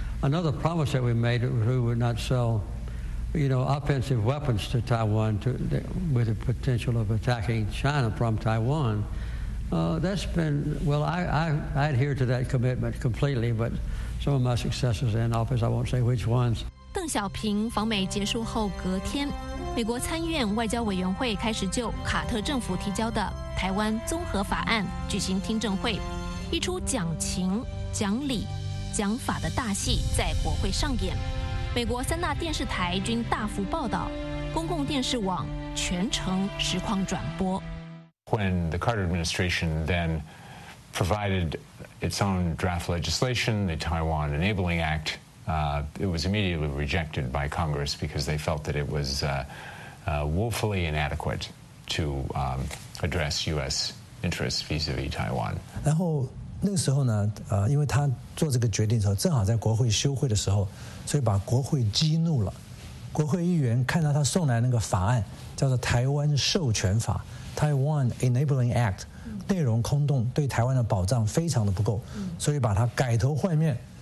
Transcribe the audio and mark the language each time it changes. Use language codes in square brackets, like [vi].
[en] Another promise that we made was we would not sell, you know, offensive weapons to Taiwan with the potential of attacking China from Taiwan. That's been, well, I adhere to that commitment completely, but some of my successors in office, I won't say which ones. [zh] 邓小平访美结束后隔天，美国参议院外交委员会开始就卡特政府提交的台湾综合法案举行听证会，一出讲情、讲理、讲法的大戏在国会上演。美国三大电视台均大幅报道，公共电视网全程实况转播。 [en] When the Carter administration then provided its own draft legislation, the Taiwan Enabling Act, it was immediately rejected by Congress because they felt that it was woefully inadequate to address U.S. interests vis-a-vis Taiwan. [zh] 然后那个时候呢，因为他做这个决定的时候，正好在国会休会的时候，所以把国会激怒了。国会议员看到他送来那个法案，叫做《台湾授权法》。 Taiwan Enabling Act 内容空洞，对台湾的保障非常的不够，所以把它改头换面。